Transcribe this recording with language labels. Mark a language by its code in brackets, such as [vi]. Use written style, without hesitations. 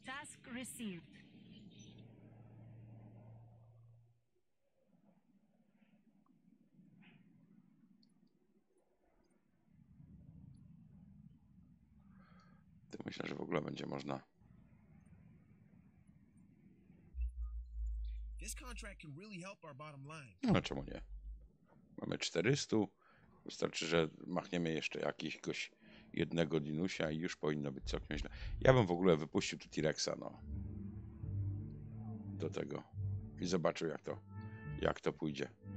[en] Task received. [pl] To myślę, że w ogóle będzie można. [en] This contract can really help our bottom line. [pl] No czemu nie? Mamy 400. Wystarczy, że machniemy jeszcze jakiegoś jednego dinusia i już powinno być całkiem źle. Ja bym w ogóle wypuścił tu T-Rexa, no. Do tego. I zobaczył, jak to pójdzie.